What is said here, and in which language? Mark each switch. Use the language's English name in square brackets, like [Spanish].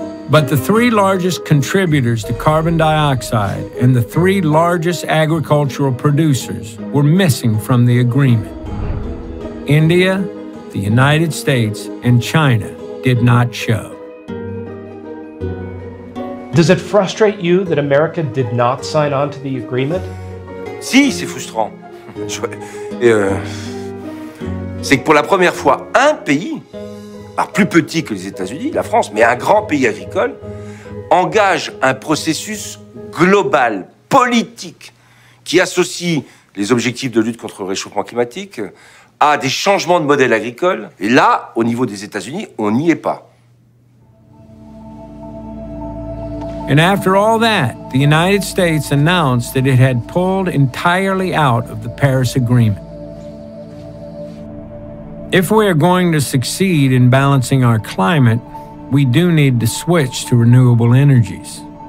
[English] But the three largest contributors to carbon dioxide and the three largest agricultural producers were missing from the agreement. India, the United States, and China did not show. Does it frustrate you that America did not sign on to the agreement? [French] Si, c'est frustrant. C'est que pour la première fois, un pays, plus petit que les États-Unis, la France, mais un grand pays agricole, engage un processus global, politique, qui associe les objectifs de lutte contre le réchauffement climatique à des changements de modèle agricole. Et là, au niveau des États-Unis, on n'y est pas. [English] And after all that, the United States announced that it had pulled entirely out of the Paris Agreement. If we are going to succeed in balancing our climate, we do need to switch to renewable energies.